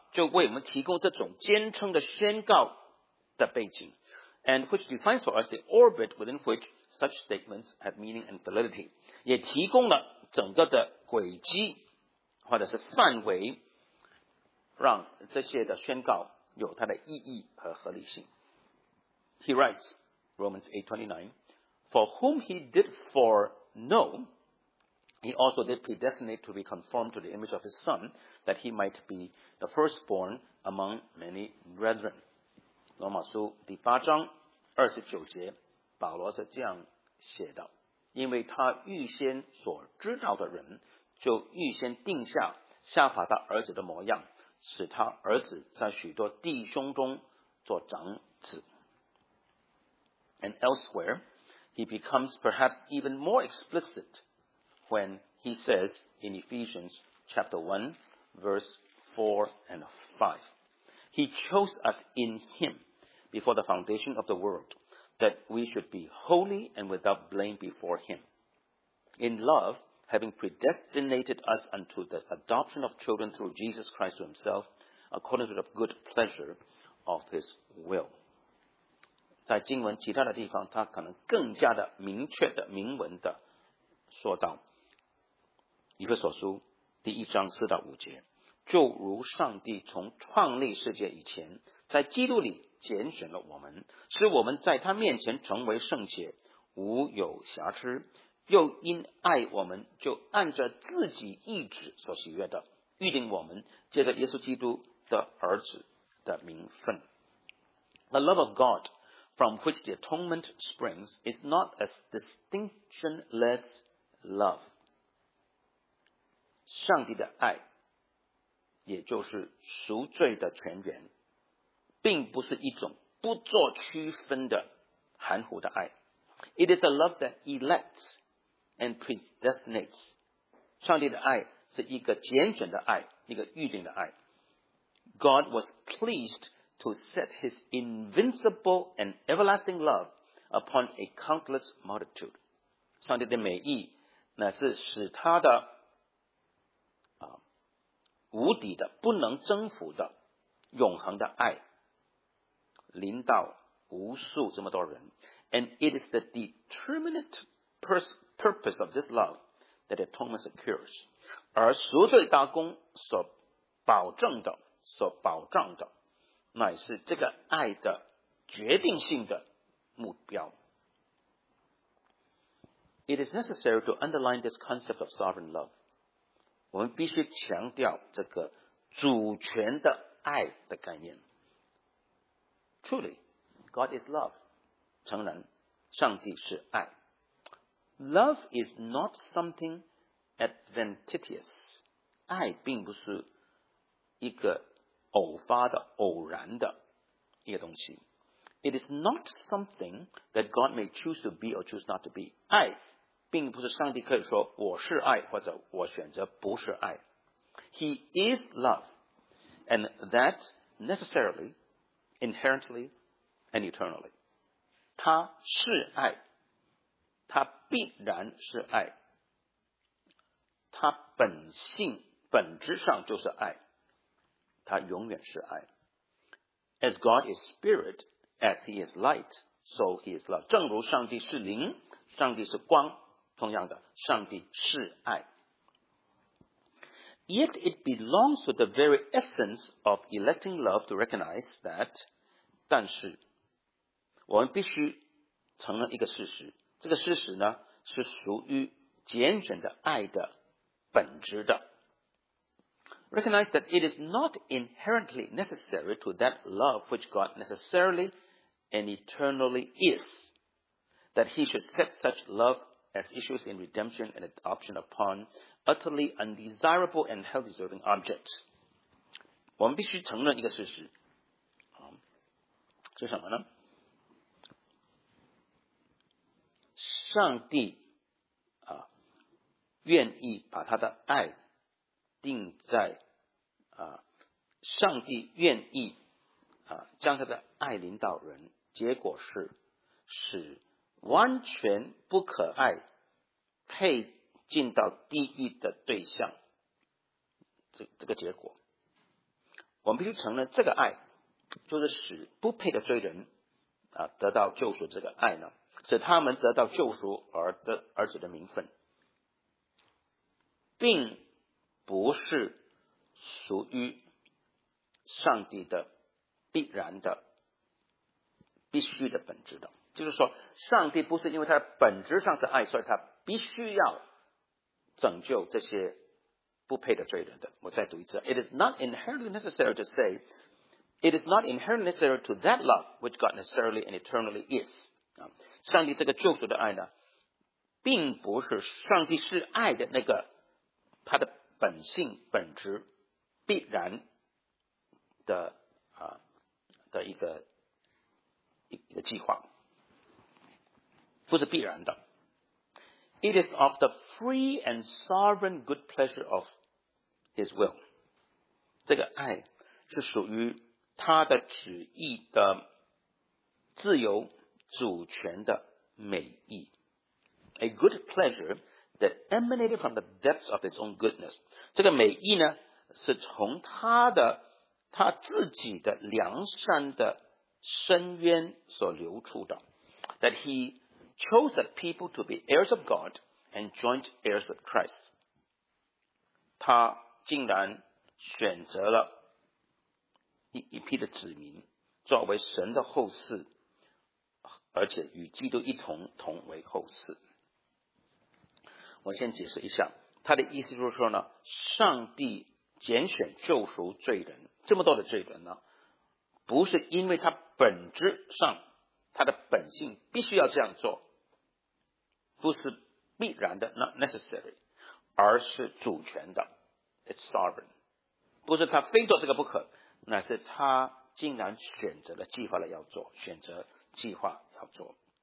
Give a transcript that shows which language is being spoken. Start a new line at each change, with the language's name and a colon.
Chinese: 就为我们提供这种坚称的宣告的背景
English: and which defines for us the orbit within which such statements have meaning and validity，
Chinese: 也提供了整个的轨迹或者是范围，让这些的宣告有它的意义和合理性。
English: He writes Romans 8:29， For whom he did foreknow he also did predestinate to be conformed to the image of his son that he might be the firstborn among many brethren。
Chinese: 罗马书第八章二十九节保罗是这样写的，因为他预先所知道的人就预先定下效法他儿子的模样，使他儿子在许多弟兄中做长子。
English: And elsewhere he becomes perhaps even more explicit when he says in Ephesians chapter 1 verse 4 and 5 he chose us in him before the foundation of the world that we should be holy and without blame before him in love having predestinated us unto the adoption of children through Jesus Christ to himself, according to the good pleasure of his will.
Chinese: 在经文其他的地方，他可能更加的明确的明文的说到，以弗所书第一章四到五节，就如上帝从创立世界以前，在基督里拣选了我们，使我们在他面前成为圣洁，无有瑕疵，又因爱我们就按着自己意志所喜悦的预定我们借着耶稣基督的儿子的名分。
English: The love of God from which the atonement springs is not a distinctionless love，
Chinese: 上帝的爱也就是赎罪的泉源，并不是一种不做区分的含糊的爱。
English: It is a love that electsand predestinates，
Chinese: 上帝的爱是一个拣选的爱，一个预定的爱。
English: God was pleased to set his invincible and everlasting love upon a countless multitude，
Chinese: 上帝的美意乃是使他的无底的不能征服的永恒的爱临到无数这么多人。
English: And it is the determinate purpose of this love that atonement secures，
Chinese: 而赎罪大功所保证的所保障的乃是这个爱的决定性的目标。
English: It is necessary to underline this concept of sovereign love，
Chinese: 我们必须强调这个主权的爱的概念。
English: Truly God is love，
Chinese: 诚然上帝是爱。
English: Love is not something adventitious，
Chinese: 爱并不是一个偶发的偶然的一个东西。
English: It is not something that God may choose to be or choose not to be，
Chinese: 爱并不是上帝可以说我是爱或者我选择不是爱。
English: He is love， and that necessarily inherently and eternally，
Chinese: 他是爱，他必然是爱，他本性本质上就是爱，他永远是爱。
English: As God is spirit, as he is light, so he is love，
Chinese: 正如上帝是灵，上帝是光，同样的上帝是爱。
English: Yet it belongs to the very essence of electing love to recognize that，
Chinese: 但是我们必须承认一个事实，这个事实呢是属于拣选的爱的本质的。
English: Recognize that it is not inherently necessary to that love which God necessarily and eternally is that he should set such love as issues in redemption and adoption upon utterly undesirable and hell deserving objects。
Chinese: 我们必须承认一个事实，是什么呢？上帝愿意把他的爱定在上帝愿意将他的爱领导人，结果是使完全不可爱配进到地狱的对象，这个结果。我们必须承认这个爱就是使不配的罪人啊得到救赎，这个爱呢使他们得到救赎而得而子的名分，并不是属于上帝的必然的必须的本质的。就是说上帝不是因为他本质上是爱，所以他必须要拯救这些不配的罪人的。我再读一次，
English: It is not inherently necessary to say It is not inherently necessary to that love which God necessarily and eternally is。
Chinese: 上帝这个救赎的爱呢，并不是上帝是爱的那个他的本性本质必然的的一个计划，不是必然的。
English: It is of the free and sovereign good pleasure of His will。
Chinese: 这个爱是属于他的旨意的自由主权的美意。
English: A good pleasure that emanated from the depths of His own goodness。
Chinese: 这个美意呢，是从他自己的良善的深渊所流出的。
English: That He chose the people to be heirs of God and joint heirs with Christ。
Chinese: 他竟然选择了 一批的子民作为神的后嗣，而且与基督一同同为后嗣。我先解释一下他的意思，就是说呢，上帝拣选救赎罪人，这么多的罪人呢，不是因为他本质上他的本性必须要这样做，不是必然的
English: not necessary，
Chinese: 而是主权的
English: it's sovereign，
Chinese: 不是他非做这个不可，那是他竟然选择了计划了要做，选择计划要做。